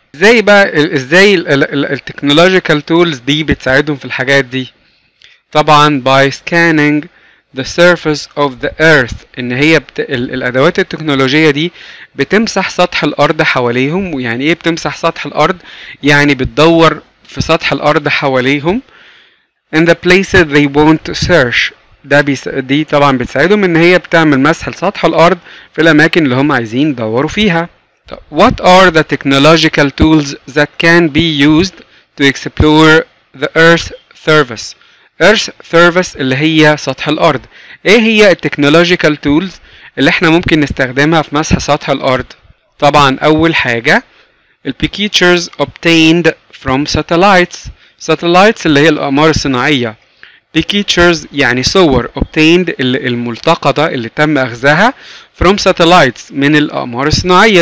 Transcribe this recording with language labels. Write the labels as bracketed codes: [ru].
[ar] ازاي بقى، ازاي التكنولوجيكال تولز دي بتساعدهم في الحاجات دي؟ طبعا [en] by scanning the surface of the earth، [ar] ان هي الادوات التكنولوجية دي بتمسح سطح الارض حواليهم. ويعني ايه بتمسح سطح الارض؟ يعني بتدور في سطح الأرض حواليهم [en] in the places they want to search. [ar] دي طبعا بتساعدهم ان هي بتعمل مسح لسطح الأرض في الأماكن اللي هم عايزين يدوروا فيها. [en] What are the technological tools that can be used to explore the Earth's surface? [ar] Earth's surface اللي هي سطح الأرض. ايه هي التكنولوجيكال تولز اللي احنا ممكن نستخدمها في مسح سطح الأرض؟ طبعا أول حاجة البيكيتشرز [en] obtained from satellites. [ar] satellites اللي هي الأقمار الصناعية. بيكيتشرز يعني صور obtained الملتقطة اللي تم أخذها [en] from satellites [ar] من الأقمار الصناعية.